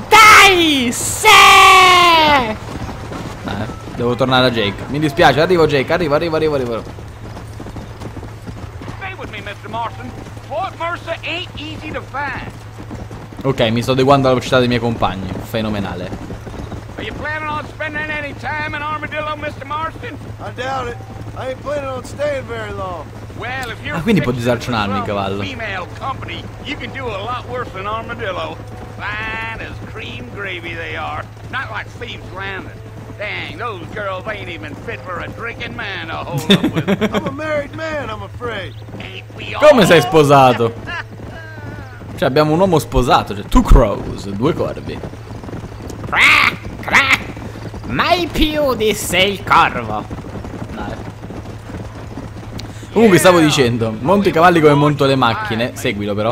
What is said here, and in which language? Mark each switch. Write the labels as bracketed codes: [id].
[it] Dai! Se! Devo tornare a Jake. Mi dispiace, arrivo Jake, arrivo. [en] Stay with me, Mr. Marston. Fort Mercer ain't easy to find. [it] Ok, mi sto adeguando alla velocità dei miei compagni. Fenomenale. [en] Are you planning on spending any time in Armadillo, Mr. Marston? I doubt it. I ain't planning on staying very long. Well, if you're [it] ah, quindi può disarcionarmi il cavallo. [en] Female company, you can do a lot worse than Armadillo. Fine as cream gravy they are. Not like thieves landing. Dang, those girls ain't even fit for a drinking man to hold up with. I'm a married man, I'm afraid. [it] Come sei sposato? Cioè abbiamo un uomo sposato, cioè [en] two crows, [it] due corvi. Crack, crack. Mai più disse il corvo. Comunque stavo dicendo, monti i cavalli come monto le macchine. Seguilo però.